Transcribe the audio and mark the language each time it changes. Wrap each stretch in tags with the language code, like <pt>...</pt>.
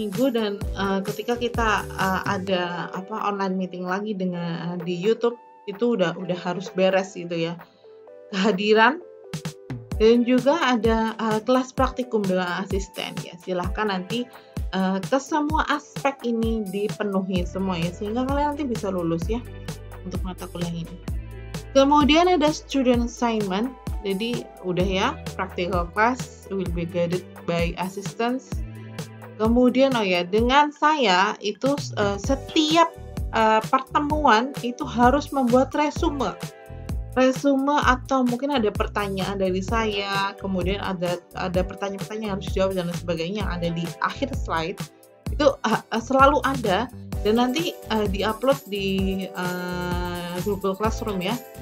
<id>Dan ketika kita ada apa</id> <en>online meeting</en> <id>lagi dengan di YouTube, itu udah harus beres gitu ya. Kehadiran. Dan juga ada kelas praktikum dengan asisten ya. Silahkan nanti ke semua aspek ini dipenuhi semua ya, sehingga kalian nanti bisa lulus ya untuk mata kuliah ini. Kemudian ada</id> <en>student assignment.</en> <id>Jadi udah ya,</id> <en>practical class will be guided by assistants.</en> <id>Kemudian oh ya, dengan saya itu setiap pertemuan itu harus membuat resume. Resume atau mungkin ada pertanyaan dari saya, kemudian ada pertanyaan-pertanyaan yang harus dijawab dan sebagainya yang ada di akhir slide itu selalu ada, dan nanti di-upload di Google Classroom ya.</id>